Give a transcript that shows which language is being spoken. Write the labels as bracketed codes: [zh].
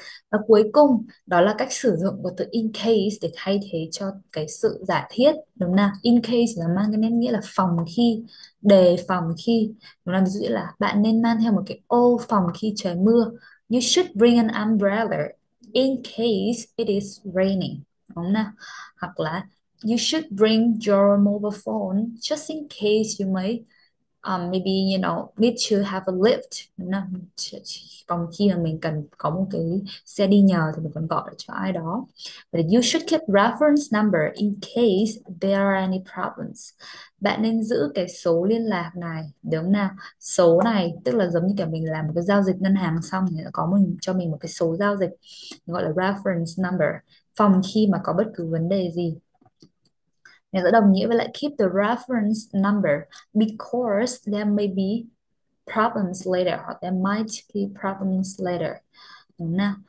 [vi] Và cuối cùng đó là cách sử dụng của từ in case để thay thế cho cái sự giả thiết đúng nào. In case là mang cái nên nghĩa là phòng khi, đề phòng khi, đúng là ví dụ là bạn nên mang theo một cái ô phòng khi trời mưa, you should bring an umbrella in case it is raining, đúng nào? [en] Hoặc là you should bring your mobile phone just in case you may maybe need to have a lift, đúng nào? [vi] Còn khi mà mình cần có một cái xe đi nhờ thì mình còn gọi cho ai đó. [en] But you should keep reference number in case there are any problems. [vi] Bạn nên giữ cái số liên lạc này, đúng nào? Số này tức là giống như kiểu mình làm một cái giao dịch ngân hàng xong thì có mình cho mình một cái số giao dịch gọi là reference number, phòng khi mà có bất cứ vấn đề gì. [en] Nên giữ đồng nghĩa với lại keep the reference number because there may be problems later or there might be problems later. Đúng nào?